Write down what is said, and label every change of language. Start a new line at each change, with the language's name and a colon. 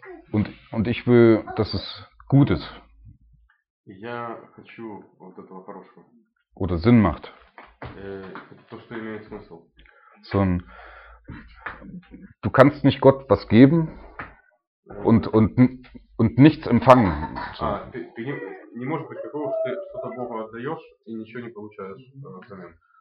German: Und ich will, dass es gut ist.
Russian: Я хочу вот этого хорошего.
German: Oder Sinn macht.
Russian: То, что имеет смысл.
German: Du kannst nicht Gott was geben und nichts empfangen.
Russian: Ты не можешь быть такого, что ты что-то Богу отдаешь и ничего не получаешь взамен.